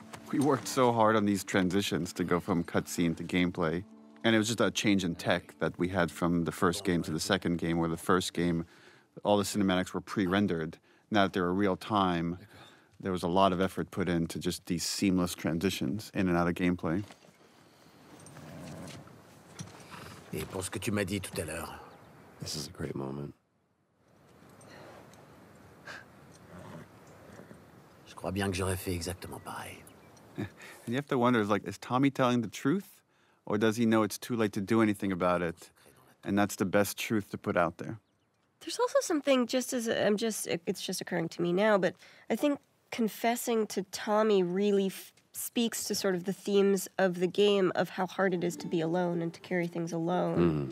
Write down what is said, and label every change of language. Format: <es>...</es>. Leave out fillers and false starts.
<en>We worked so hard on these transitions to go from cutscene to gameplay, and it was just a change in tech that we had from the first game to the second game, where the first game, all the cinematics were pre-rendered. Now that they were real time, there was a lot of effort put into just these seamless transitions in and out of gameplay.</en> <fr>Et pour ce que tu m'as dit tout à l'heure.</fr> <en>This is a great moment.</en> <fr>Je crois bien que j'aurais fait exactement pareil.</fr> <en>And you have to wonder, like, is Tommy telling the truth? Or does he know it's too late to do anything about it? And that's the best truth to put out there. There's also something, just as I'm just, it's just occurring to me now, but I think confessing to Tommy really speaks to sort of the themes of the game of how hard it is to be alone and to carry things alone.</en>